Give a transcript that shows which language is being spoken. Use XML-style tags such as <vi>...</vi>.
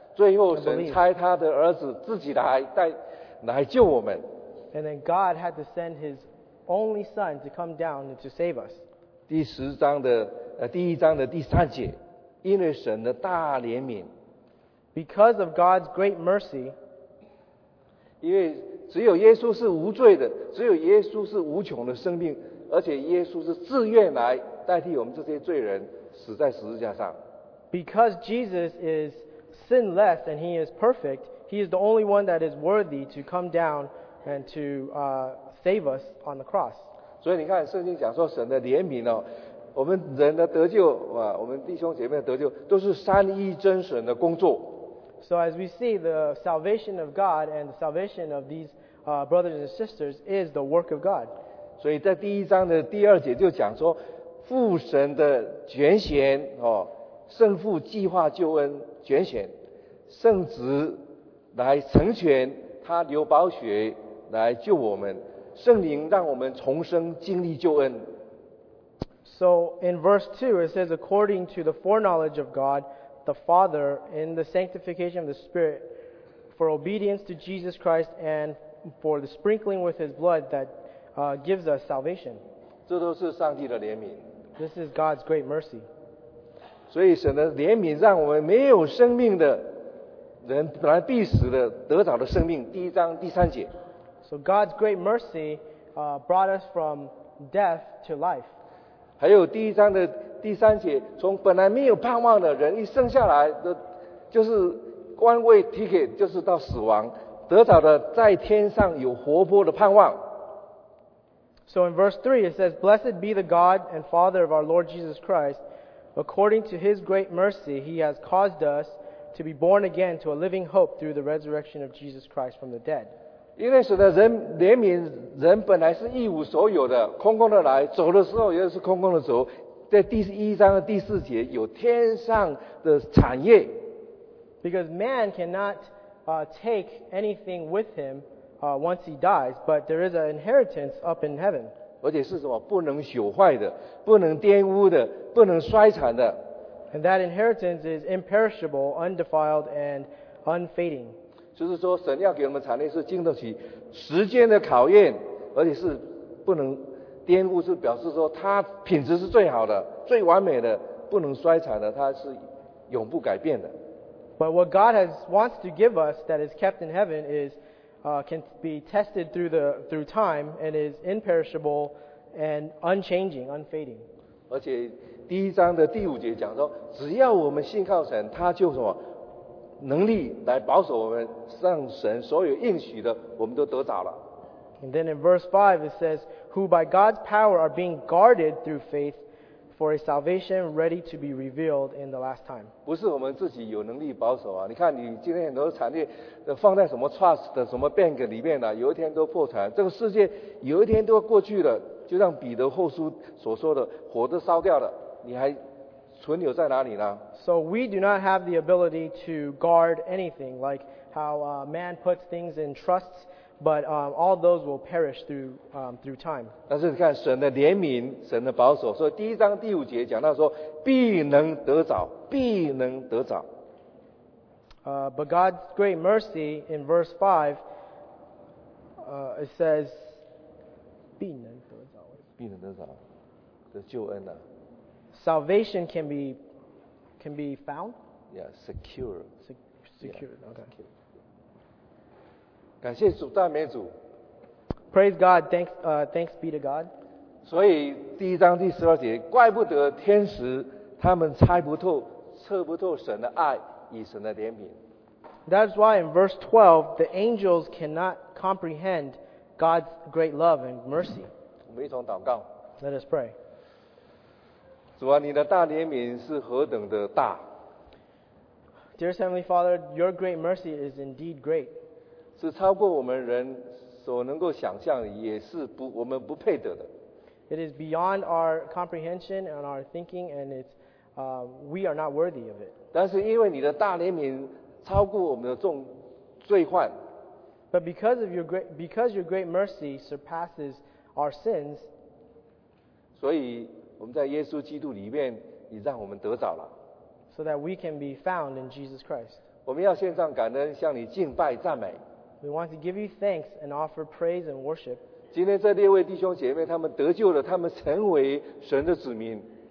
<zh>最后神差他的儿子自己来带来救我们。</zh> <en>And then God had to send his only son to come down to save us.</en> <zh>第一章的第三节，因为神的大怜悯。</zh> <en>Because of God's great mercy.</en> <zh>因为只有耶稣是无罪的，只有耶稣是无穷的生命，而且耶稣是自愿来代替我们这些罪人死在十字架上。</zh> <en>Because Jesus is sinless and he is perfect, he is the only one that is worthy to come down and to save us on the cross.</en> <zh>所以你看圣经讲说神的怜悯哦，我们人的得救啊，我们弟兄姐妹的得救都是三一真神的工作。</zh> <en>So as we see, the salvation of God and the salvation of these brothers and sisters is the work of God.</en> <zh>所以在第一章的第二节就讲说，父神的拣选哦，圣父计划救恩拣选，圣子来成全，他流宝血来救我们，圣灵让我们重生经历救恩。</zh> <en>So in verse 2 it says, according to the foreknowledge of God the Father in the sanctification of the Spirit for obedience to Jesus Christ and for the sprinkling with his blood that gives us salvation.</en> <zh>这都是上帝的怜悯。</zh> <en>This is God's great mercy.</en> <zh>所以神的怜悯让我们没有生命的人本来必死的得着了生命，第一章第三节。</zh> <en>So God's great mercy brought us from death to life.</en> <zh>还有第一章的第三节，从本来没有盼望的人一生下来的就是官位 ticket， 就是到死亡，得着的在天上有活泼的盼望。</zh> <en>So in verse 3 it says, Blessed be the God and Father of our Lord Jesus Christ. According to his great mercy, he has caused us to be born again to a living hope through the resurrection of Jesus Christ from the dead.</en> <zh>因为神的怜悯，人本来是一无所有的，空空的来，走的时候也是空空的走。在第一章的第四节有天上的产业。</zh> <en>Because man cannot take anything with him once he dies, but there is an inheritance up in heaven.</en> <zh>而且是什么？不能朽坏的，不能玷污的，不能衰残的。</zh> <en>And that inheritance is imperishable, undefiled, and unfading.</en> <zh>就是说神要给我们产业是经得起时间的考验，而且是不能玷污，是表示说它品质是最好的，最完美的，不能衰残的，它是永不改变的。</zh> <en>But what God has wants to give us that is kept in heaven is can be tested through time and is imperishable and unchanging, unfading.</en> <zh>而且第一章的第五节讲说，只要我们信靠神，他就什么能力来保守我们，上神所有应许的，我们都得着了。</zh> <en>And then in verse 5 it says, "Who by God's power are being guarded through faith for a salvation ready to be revealed in the last time."</en> <zh>不是我们自己有能力保守啊！你看你今天很多产业放在什么 trust 的什么 bank 里面了、啊，有一天都破产，这个世界有一天都过去了，就像彼得后书所说的，火都烧掉了。你还存留在哪里呢？</zh> <en>So we do not have the ability to guard anything like how man puts things in trusts, but all those will perish through time.</en> <zh>但是你看神的怜悯，神的保守，所以第一章第五节讲到说必能得着，必能得着。</zh> <en>But God's great mercy in verse 5 it says</en> <zh>必能得着，必能得着的救恩呢、啊。</zh> <en>Salvation can be found? Yeah, secure. Secure, yeah, okay. Secure.</en> <zh>感谢主，赞美主。</zh> <en>Praise God, thanks be to God.</en> <zh>所以第一章第十二节，怪不得天使他们猜不透，测不透神的爱与神的怜悯。</zh> <en>That's why in verse 12, the angels cannot comprehend God's great love and mercy.</en> <zh>我们一同祷告。</zh> <en>Let us pray.</en> <zh>主啊，你的大怜悯是何等的大。</zh> <en>Dear Heavenly Father, your great mercy is indeed great.</en> <zh>是超过我们人所能够想象的，也是不我们不配得的。</zh> <en>It is beyond our comprehension and our thinking, and we are not worthy of it.</en> <zh>但是因为你的大怜悯超过我们的重罪患。</zh> <en>But because your great mercy surpasses our sins.</en> <zh>所以我们在耶稣基督里面，你让我们得着了。</zh> <en>So that we can be found in Jesus Christ.</en> <zh>我们要献上感恩，向你敬拜赞美。</zh> <en>We want to give you thanks and offer praise and worship.</en> <zh>今天这六位弟兄姐妹，他们得救了，他们成为神的子民。</zh>